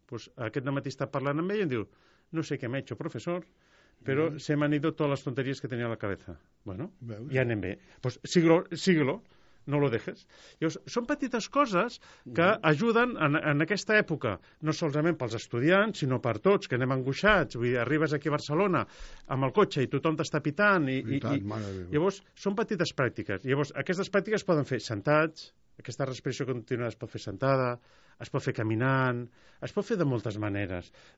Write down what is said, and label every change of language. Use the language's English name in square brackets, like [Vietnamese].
[Catalan] Pues aquest dematí està parlant amb ella i diu, no sé què m'ha hecho, professor, però se m'han ido totes les tonteries que tenia a la cabeza. Bueno, ja anem bé. [Spanish] Pues síguelo, no lo dejes. [Catalan] Llavors, són petites coses que ajuden en aquesta època, no solament pels estudiants, sinó per tots, que anem angoixats. Vull dir, arribes aquí a Barcelona amb el cotxe i tothom t'està pitant. Llavors, són petites pràctiques. Llavors, aquestes pràctiques poden fer sentats, aquesta respiració continuada es pot fer sentada, es pot fer caminant, es pot fer de moltes maneres.